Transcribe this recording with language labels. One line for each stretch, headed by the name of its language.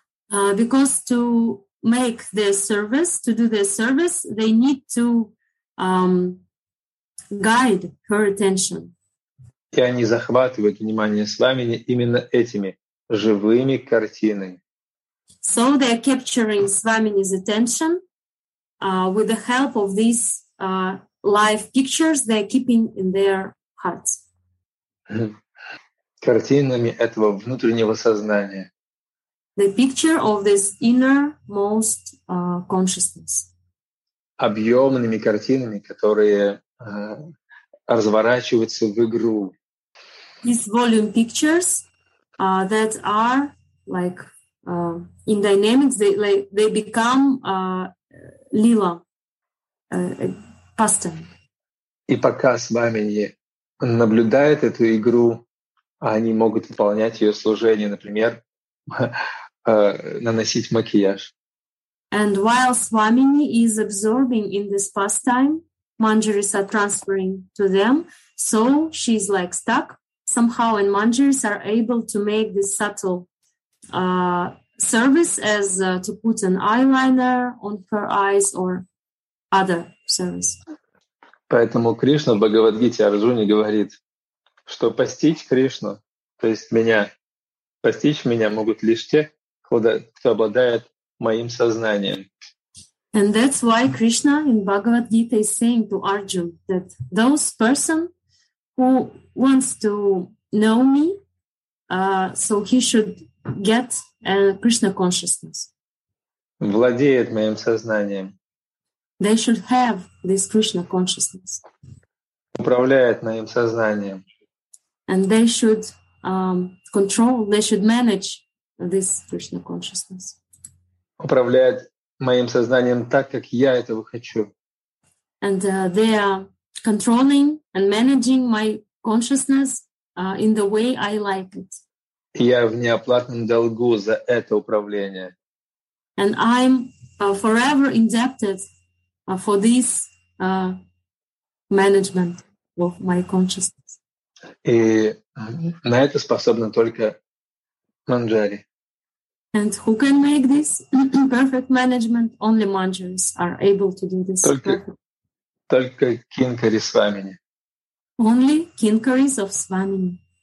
English: Because to make their service, to do their service, they need to guide her attention.
Russian: И они захватывают внимание Свамини именно этими живыми картинами.
English: So they are capturing Swamini's attention with the help of these live pictures they are keeping in their hearts.
Russian: Картинами этого внутреннего сознания.
English: The picture of this innermost consciousness.
Russian: Объемными картинами, которые разворачиваются в игру.
English: These volume pictures that are like in dynamics, they become lila, pastime.
Russian: И пока с вами не наблюдают эту игру, они могут выполнять ее служение, например, наносить макияж.
English: And while Swamini is absorbing in this pastime, Manjaris are transferring to them, so she's like stuck somehow, and Manjaris are able to make this subtle service as to put an eyeliner on her eyes or other service.
Russian: Поэтому Кришна в Бхагавад-гите Арджуне говорит, что постичь Кришну, то есть меня, постичь меня могут лишь те, кто обладает моим сознанием.
English: And that's why Krishna in Bhagavad-gita is saying to Arjuna that those person who wants to know me, so he should get Krishna consciousness.
Russian: Владеет моим сознанием.
English: They should have this Krishna consciousness.
Russian: Управляет моим сознанием.
English: And they should control, they should manage this Krishna consciousness.
Russian: Управляет моим сознанием так, как я этого хочу.
English: And they are controlling and managing my consciousness in the way I like it.
Russian: Я в неоплатном долгу за это управление.
English: And I'm forever indebted for this management of my consciousness.
Russian: И на это способна только Манджари.
English: And who can make this perfect management? Only Manjaris are able to do this.
Russian: Только Кинкари Свамини.
English: Only Kinkaris of Swamini.